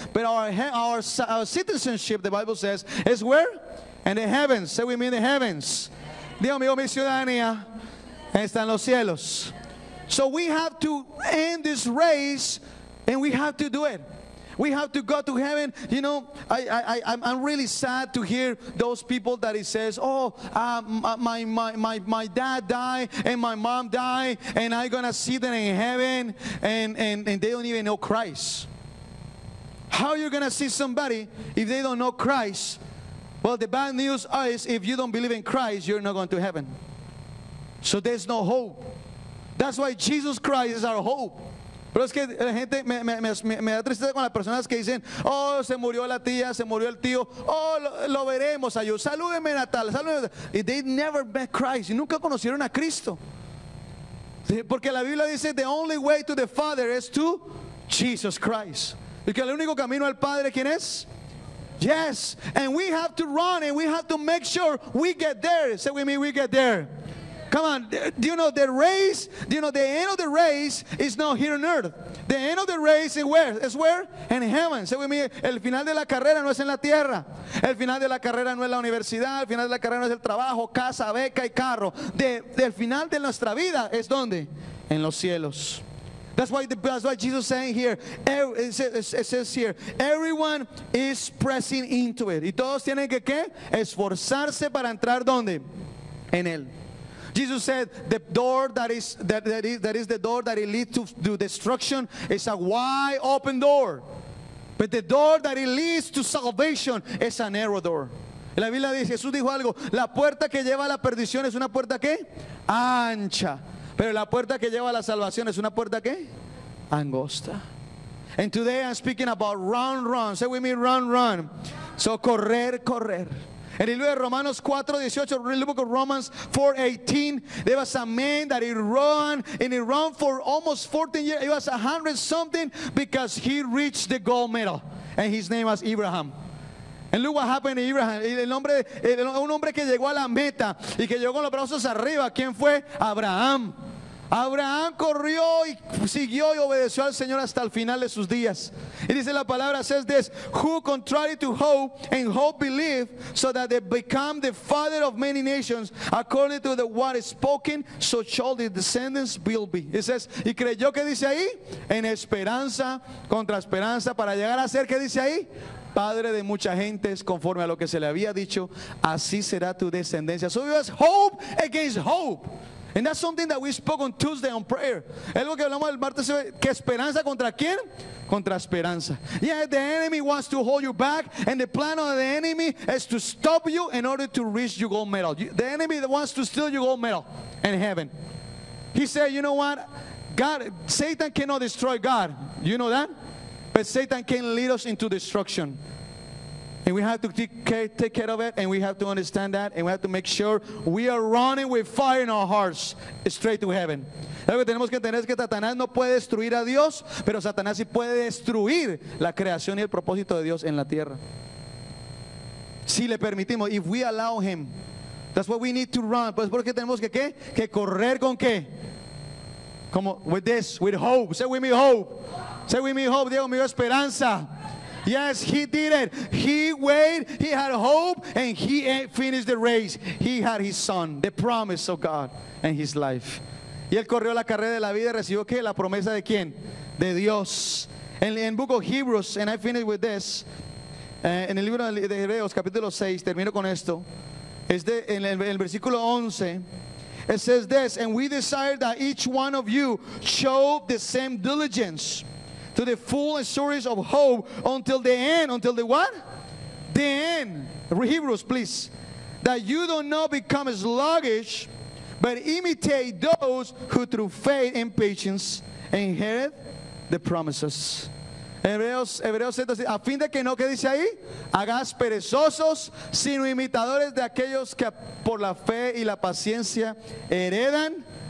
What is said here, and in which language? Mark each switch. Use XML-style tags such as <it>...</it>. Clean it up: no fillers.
<en>But our citizenship, the Bible says, is where? In the heavens. Say with me, in the heavens.</en> <es>Dios mío, mi ciudadanía está en los cielos.</es> <en>So we have to end this race, and we have to do it. We have to go to heaven. You know, I'm really sad to hear those people that he says, oh, my dad died and my mom died, and I'm gonna see them in heaven, and they don't even know Christ. How are you gonna see somebody if they don't know Christ? Well, the bad news is if you don't believe in Christ, you're not going to heaven. So there's no hope. That's why Jesus Christ is our hope.</en> <es>Pero es que la gente me da tristeza con las personas que dicen, oh, se murió la tía, se murió el tío, oh, lo veremos a ellos. Salúdenme Natal, salúdenme. Y</es> <en>they never met Christ,</en> <es>y nunca conocieron a Cristo. Porque la Biblia dice,</es> <en>the only way to the Father is to Jesus Christ.</en> <es>Y que el único camino al Padre, ¿quién es?</es> <en>Yes, and we have to run and we have to make sure we get there. Say with me, we get there. Come on, do you know the race? Do you know the end of the race is not here on earth? The end of the race is where? Is where? In heaven. Say with me,</en> <es>el final de la carrera no es en la tierra. El final de la carrera no es la universidad. El final de la carrera no es el trabajo, casa, beca y carro. El final de nuestra vida es donde? En los cielos.</es> <en>That's why Jesus is saying here, it says here, everyone is pressing into it.</en> <es>Y todos tienen que, ¿qué? Esforzarse para entrar, ¿dónde? En él.</es> <en>Jesus said, the door that is the door that it leads to destruction is a wide open door. But the door that it leads to salvation is a narrow door.</en> <es>En la Biblia dice, Jesús dijo algo, la puerta que lleva a la perdición es una puerta, ¿qué? Ancha. Pero la puerta que lleva a la salvación es una puerta, ¿qué? Angosta.</es> <en>And today I'm speaking about run, run. Say with me, run, run. So</en> <es>correr, correr. En el libro de</es> <en>Romanos 4:18, en el libro de Romans 4:18, there was a man that he ran, and he ran for almost 14 years. He was 100 something because he reached the gold medal. And his name was Abraham. And look what happened to Abraham.</en> <es>Un hombre que llegó a la meta y que llegó con los brazos arriba. ¿Quién fue? Abraham. Abraham corrió y siguió y obedeció al Señor hasta el final de sus días. Y dice la palabra,</es> <en>says this, who contrary to hope and hope believe, so that they become the father of many nations, according to the word spoken, so shall the descendants will be. It says,</en> <es>y creyó, ¿qué dice ahí? En esperanza contra esperanza, para llegar a ser, ¿qué dice ahí? Padre de mucha gente, conforme a lo que se le había dicho, así será tu descendencia.</es> <en>So it was hope against hope. And that's something that we spoke on Tuesday on prayer.</en> <es>Algo que hablamos el martes, ¿qué esperanza contra quién? Contra esperanza.</es> <en>Yeah, the enemy wants to hold you back, and the plan of the enemy is to stop you in order to reach your gold medal. The enemy that wants to steal your gold medal in heaven. He said, you know what? God, Satan cannot destroy God. You know that? But Satan can lead us into destruction. And we have to take care of it, and we have to understand that, and we have to make sure we are running with fire in our hearts straight to heaven.</en> <es>Lo que tenemos que entender es que Satanás no puede destruir a Dios, pero Satanás sí puede destruir la creación y el propósito de Dios en la tierra. Si le permitimos,</es> <en>if we allow him, that's what we need to run.</en> <es>Pues porque tenemos que, ¿qué? Que correr con qué? Como</es> <en>with this, with hope. Say with me, hope. Say with me, hope. Diego,</en> <es>mi esperanza.</es> <en>Yes, he did it. He waited, he had hope, and he finished the race. He had his son, the promise of God in his life.</en> <es>Y él corrió la carrera de la vida y recibió, ¿qué?</es> <en>La promesa de quién? De Dios. En Book of Hebrews, and I finish with this,</en> <es>en el libro de Hebreos, capítulo 6, termino con esto, en el versículo 11,</es> <en>it says this, and we desire that each one of you show the same diligence to the full assurance of hope until the end. Until the what? The end. Hebrews, please. That you do not become sluggish, but imitate those who through faith and patience inherit the promises.</en> <es>Hebreos, a fin de que no, ¿qué dice ahí? Hagas perezosos, sino imitadores de aquellos que por la fe y la paciencia heredan.</es>